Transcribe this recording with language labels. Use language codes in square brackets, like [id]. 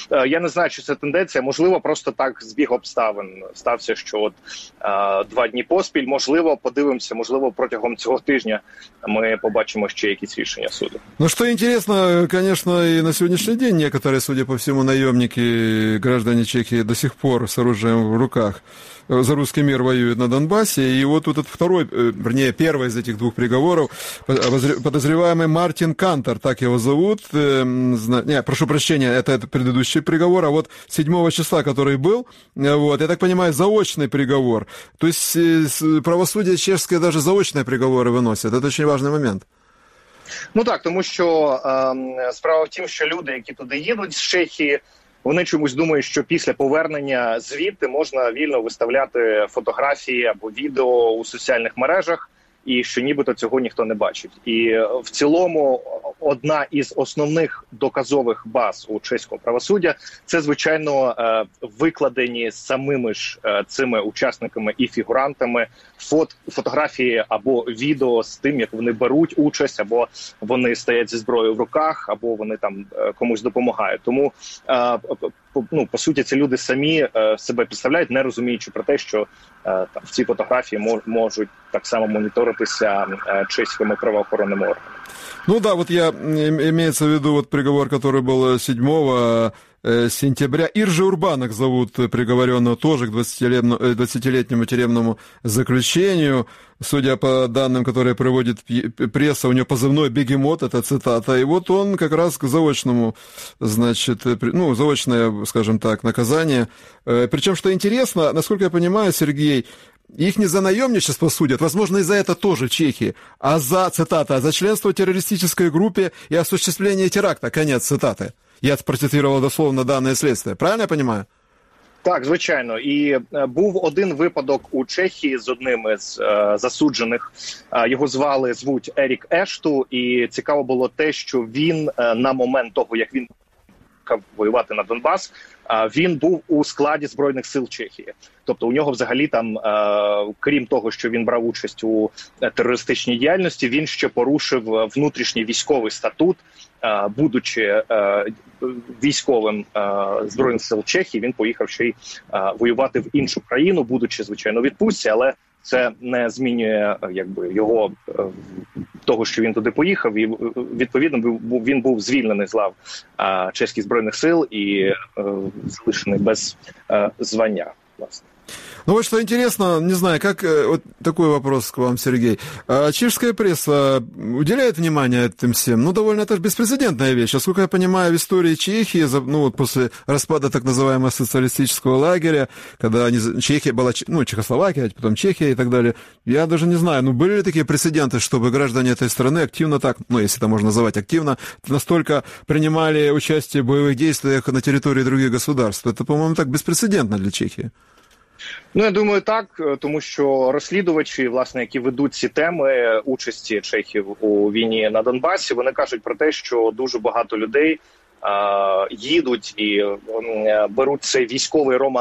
[uk] Я не знаю, чи це тенденція. Можливо, просто так збіг обставин стався, що от два дні поспіль. Можливо, подивимося, можливо, протягом цього тижня ми побачимо ще якісь рішення суду. Ну, що інтересно, звісно, і на сьогоднішній день [ru] некоторі, судя по всьому, найомники, граждані Чехії до сих пор з оружием в руках за русский мир воюют на Донбассе. И вот этот второй, вернее, первый из этих двух приговоров, подозреваемый Мартин Кантер, так его зовут. Не, прошу прощения, это предыдущий приговор. А вот 7 числа, который был, вот, я так понимаю, заочный приговор. То есть правосудие чешское даже заочные приговоры выносит. Это очень важный момент. [uk] Ну так, [ru] потому что справа в том, что люди, которые туда едут, с Чехии, [uk] вони чомусь думають, що після повернення звідти можна вільно виставляти фотографії або відео у соціальних мережах, і що нібито цього ніхто не бачить. І в цілому одна із основних доказових баз у чеському правосуддя, це, звичайно, викладені самими ж цими учасниками і фігурантами фотографії або відео з тим, як вони беруть участь, або вони стоять зі зброєю в руках, або вони там комусь допомагають. Тому, ну, по суті, ці люди самі себе підставляють, не розуміючи про те, що там ці фотографії можуть так само моніторитися чеськими правоохоронними органами. [ru] Ну да, вот я, имеется в виду вот приговор, который был 7 сентября. Иржи Урбанок зовут приговоренного тоже к 20-летнему тюремному заключению. Судя по данным, которые приводит пресса, у него позывной «Бегемот», это цитата. И вот он как раз к заочному, значит, ну, заочное, скажем так, наказание. Причем, что интересно, насколько я понимаю, Сергей, их не за наемничество судят, возможно, и за это тоже чехи, а за, цитата, за членство в террористической группе и осуществление теракта, конец цитаты. Я процитировал дословно данное следствие, правильно я понимаю? [uk] Так, звичайно. І був один випадок у Чехії з одним із засуджених. Його звали, звуть Ерік Ешту, і цікаво було те, що він на момент того, як він почав воювати на Донбас, він був у складі Збройних сил Чехії. Тобто у нього взагалі там, крім того, що він брав участь у терористичній діяльності, він ще порушив внутрішній військовий статут, будучи військовим Збройних сил Чехії, він поїхав ще й воювати в іншу країну, будучи, звичайно, у відпустці, але це не змінює, якби, його того, що він туди поїхав, і відповідно він був звільнений з лав чеських Збройних сил і залишений без звання, власне. [ru] Ну вот что интересно, не знаю, как вот такой вопрос к вам, Сергей. Чешская пресса уделяет внимание этим всем? Ну довольно это же беспрецедентная вещь. Насколько я понимаю, в истории Чехии, ну вот после распада так называемого социалистического лагеря, когда они, Чехия была, ну Чехословакия, потом Чехия и так далее, я даже не знаю, ну были ли такие прецеденты, чтобы граждане этой страны активно так, ну если это можно называть активно, настолько принимали участие в боевых действиях на территории других государств? Это, по-моему, так беспрецедентно для Чехии. [uk] Ну, я думаю, так, тому що розслідувачі, власне, які ведуть ці теми участі чехів у війні на Донбасі, вони кажуть про те, що дуже багато людей їдуть і беруть цей військовий